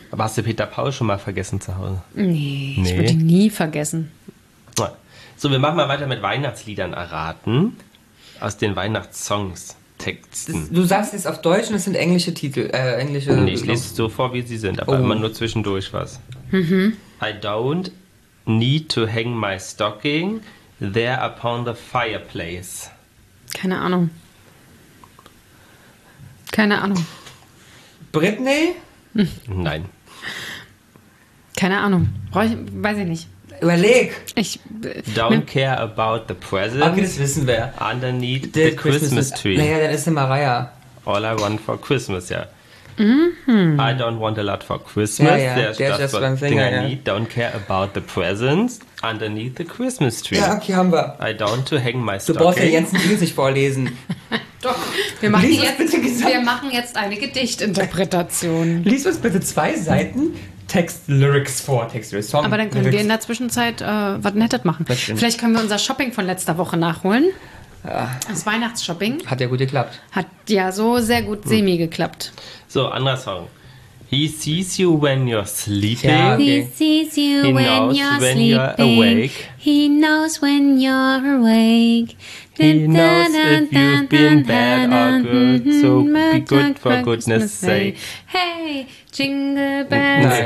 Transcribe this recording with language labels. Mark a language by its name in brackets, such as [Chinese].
[German] Aber hast du Peter Paul schon mal vergessen zu Hause? Nee. Ich würde ihn nie vergessen. So, wir machen mal weiter mit Weihnachtsliedern erraten. Aus den Weihnachtssongs-Texten. Du sagst es auf Deutsch und es sind englische Titel. Nee, ich lese es so vor, wie sie sind, aber immer nur zwischendurch was. Mhm. [English] I don't need to hang my stocking. There upon the fireplace. [German] Keine Ahnung. Britney? Nein. Keine Ahnung. Weiß ich nicht. Überleg. [English] Don't care about the present. [German] Okay, das wissen wir. [English] Underneath the Christmas tree. [German] Naja, dann ist es Mariah. [English] All I want for Christmas, ja. Mm-hmm. I don't want a lot for Christmas. [German] Ja, ja. [English] There's [German] der [English] just one thing I need. Don't care about the presents underneath the Christmas tree. [German] Ja, okay, haben wir. [English] I don't to hang my [German] stocking. Du brauchst ja Jens' Dinge sich vorlesen. Doch. Wir machen jetzt eine Gedichtinterpretation. Lies uns bitte zwei Seiten Text-Lyrics-Song. Aber dann können Lyrics. Wir in der Zwischenzeit was Nettes machen. Bestimmt. Vielleicht können wir unser Shopping von letzter Woche nachholen. Ja. Das Weihnachtsshopping. Hat ja gut geklappt. Hat ja so sehr gut semi geklappt. So, anderer Song. [English] He sees you when you're sleeping. [German] Ja, [English] okay. He sees you when you're awake. He knows when you're awake. He knows if you've been bad or good. So be good for goodness sake. Hey, jingle bells.